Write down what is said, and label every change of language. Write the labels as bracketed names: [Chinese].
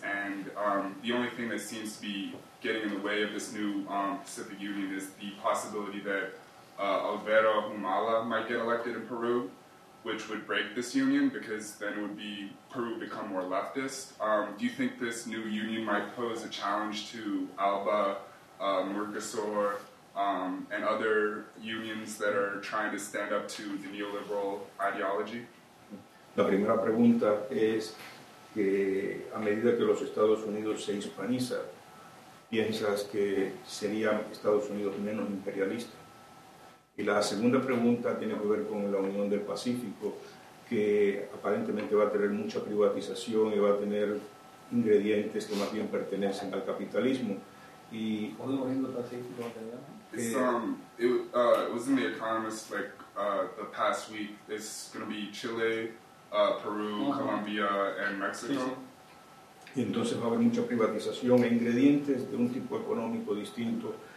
[English] And the only thing that seems to be getting in the way of this new Pacific Union is the possibility that Alvaro Humala might get elected in Peru, which would break this union, because then it would be Peru become more leftist. Do you think this new union might pose a challenge to ALBA, Mercosur, and other unions that are trying to stand up to the neoliberal ideology? [Spanish] La primera pregunta es que a medida que los Estados Unidos se hispaniza, ¿piensas que sería Estados Unidos menos imperialista? Y la segunda pregunta tiene que ver con la Unión del Pacífico, que aparentemente va a tener mucha privatización y va a tener ingredientes que más bien pertenecen al capitalismo. Y ¿cuándo Unión del Pacífico va a tener? [English] It was in The Economist like the past week. It's going to be Chile, Peru, Colombia, and Mexico. [Spanish] Sí, sí. Y entonces va a haber mucha privatización e ingredientes de un tipo económico distinto.